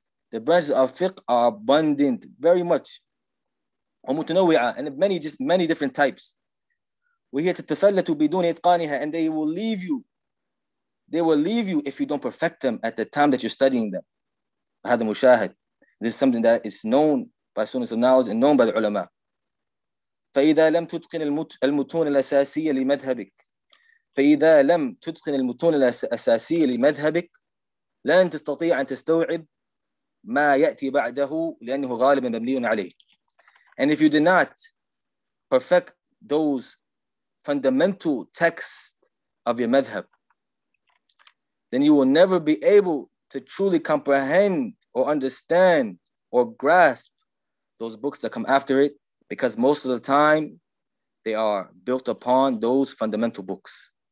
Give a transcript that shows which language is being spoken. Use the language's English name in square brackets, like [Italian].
[English] The branches of fiqh are abundant, very much. [Arabic] ومتنوعة, [English] and many different types. [Arabic] وهي تتفلت بدون إتقانها, [English] and they will leave you. They will leave you if you don't perfect them at the time that you're studying them. [Arabic] هذا مشاهد. [English] This is something that is known by students of knowledge and known by the ulama. [Arabic] فإذا لم تتقن المتون الأساسية لمذهبك, فإذا لم تتقن المتون الأساسية لمذهبك لن تستطيع أن تستوعب ما يأتي بعده لأنه غالبا مبني عليه. [English] And if you did not perfect those fundamental texts of your madhab, then you will never be able to truly comprehend or understand or grasp those books that come after it, because most of the time they are built upon those fundamental books.